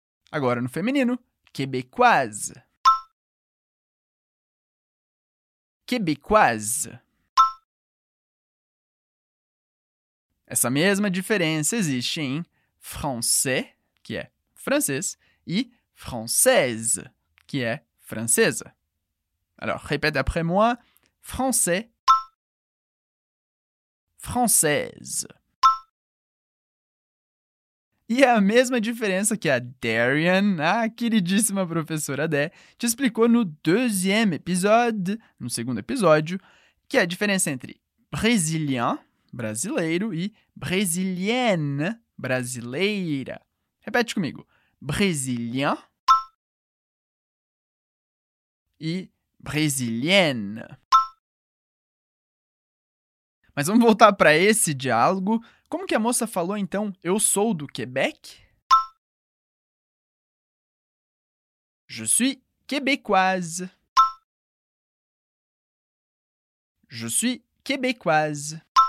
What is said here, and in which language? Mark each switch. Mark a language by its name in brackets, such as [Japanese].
[Portuguese] Agora, no feminino, québécoise. [French] Québécoise. [Portuguese] Essa mesma diferença existe em français, [French] qui est Francis, et Française, qui est Française. Alors, répète après moi. Français. Française. [Portuguese] E é a mesma diferença que a Darian, a queridíssima professora Dé, te explicou no deuxième episódio, no segundo episódio, que é a diferença entre brésilien, brasileiro, e brésilienne, brasileira. Repete comigo. [French] Brésilien e brésilienne. [Portuguese] Mas vamos voltar para esse diálogo. Como que a moça falou, então, eu sou do Québec? [French] Je suis québécoise. Je suis québécoise.